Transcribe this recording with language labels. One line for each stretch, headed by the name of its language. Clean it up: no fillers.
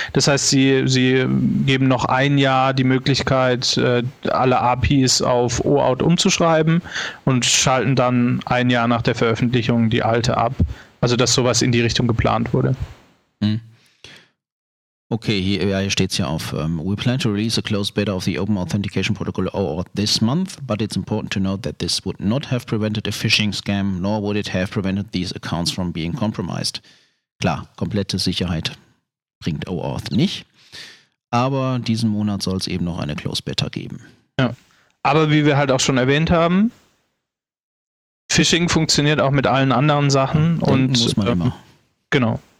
German: Das heißt, sie geben noch ein Jahr die Möglichkeit, alle APIs auf OAuth umzuschreiben und schalten dann ein Jahr nach der Veröffentlichung die alte ab. Also, dass sowas in die Richtung geplant wurde. Okay, hier steht es ja auf.
English: We plan to release a closed beta of the Open Authentication Protocol OAuth this month, but it's important to note that this would not have prevented a phishing scam, nor would it have prevented these accounts from being compromised.
German: Klar, komplette Sicherheit bringt OAuth nicht. Aber diesen Monat soll es eben noch eine Closed Beta geben. Ja. Aber wie wir halt auch schon erwähnt haben, Phishing funktioniert auch mit allen anderen Sachen. Muss man immer. Genau.